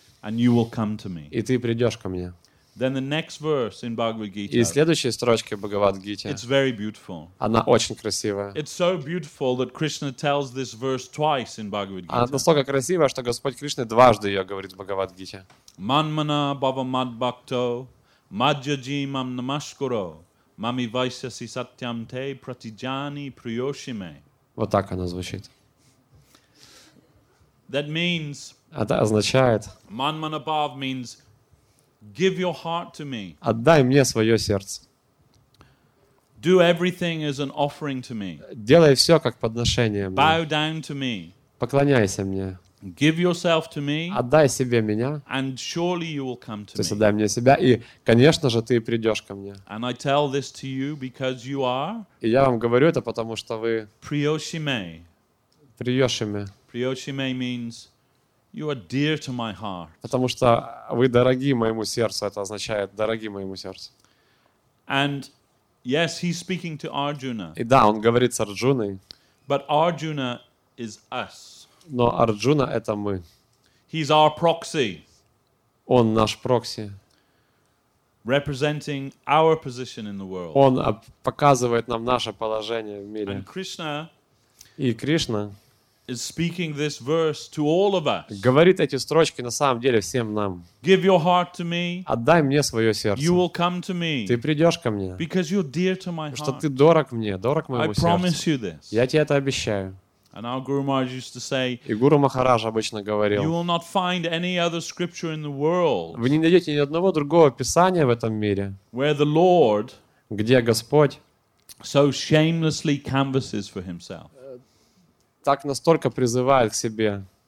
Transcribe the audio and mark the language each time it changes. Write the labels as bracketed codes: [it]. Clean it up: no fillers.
[en] And you will come to me. [ru] И ты придешь ко мне. [en] Then the next verse in Bhagavad Gita. [ru] И следующая строчка Бхагавад Гите. [en] It's very beautiful. [ru] Она очень красивая. [en] It's so beautiful that Krishna tells this verse twice in Bhagavad Gita. [ru] Она настолько красивая, что Господь Кришна дважды ее говорит в Бхагавад Гите. [sa] Манмана бава мад бхакто маджаджи мам намашкуро мами вайсяси сатьям те пратиджани приёшиме. [ru] Вот так она звучит. [en] That means. [ru] Это означает. [en] Manman above means give your heart to me. [ru] Отдай мне свое сердце. [en] Do everything as an offering to me. [ru] Делай все как подношение мне. [en] Bow down to me. [ru] Поклоняйся мне. [en] Give yourself to me. [ru] Отдай себе меня. [en] And surely you will come to me. [ru] То есть отдай мне себя и, конечно же, ты придешь ко мне. [en] And I tell this to you because you are. [ru] И я вам говорю это потому что вы. [sa] Priyoshime. Priyoshime. [en] Priyoshime means you are dear to my heart. [ru] Потому что вы дороги моему сердцу. Это означает дороги моему сердцу. [en] And yes, he's speaking to Arjuna. [ru] И да, он говорит с Арджуной. [en] But Arjuna is us. [ru] Но Арджуна это мы. [en] He's our proxy. [ru] Он наш прокси. [en] Representing our position in the world. [ru] Он показывает нам наше положение в мире. [en] And Krishna. [ru] И Кришна. [en] Is speaking this verse to all of us. [ru] Говорит эти строчки на самом деле всем нам. [en] Give your heart to me. [ru] Отдай мне свое сердце. [en] You will come to me. [ru] Ты придешь ко мне. [en] Because you're dear to my heart. [ru] Что ты дорог мне, дорог моему сердцу. [en] I promise you this. [ru] Я тебе это обещаю. [en] And our Guru Maharaj used to say. [ru] И Гуру Махарадж обычно говорил. [en] You will not find any other scripture in the world. [ru] Вы не найдете ни одного другого писания в этом мире. [en] Where the Lord. [ru] Где Господь. [en] So shamelessly canvasses for himself. [ru] Так настолько призывает к себе.